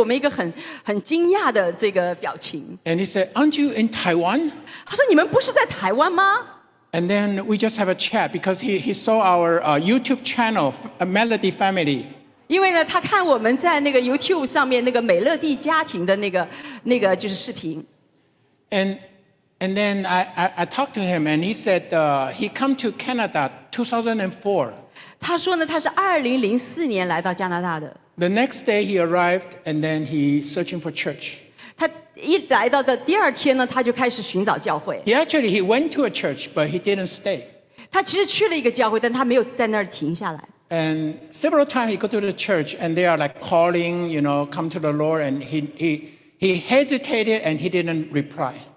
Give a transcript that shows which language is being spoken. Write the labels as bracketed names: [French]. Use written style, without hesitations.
[Chinese] 他在天车上看见我们的时候，他给我们一个很惊讶的这个表情。 [English] And he said, "Aren't you in Taiwan?" [Chinese] 他说，你们不是在台湾吗？ [English] And then we just have a chat because he saw our YouTube channel, a Melody Family. [Chinese] 因为呢，他看我们在那个YouTube上面那个美乐蒂家庭的那个就是视频。 [English] And then I talked to him and he said he came to Canada 2004. [Chinese] 他说呢，他是2004年来到加拿大的。 [English] The next day he arrived and then he searching for church. [Chinese] 他一来到的第二天呢，他就开始寻找教会。 [English] He went to a church but he didn't stay. [Chinese] 他其实去了一个教会，但他没有在那儿停下来。 [English] And several times he go to the church and they are like calling, you know, come to the Lord and he hesitated and he didn't reply.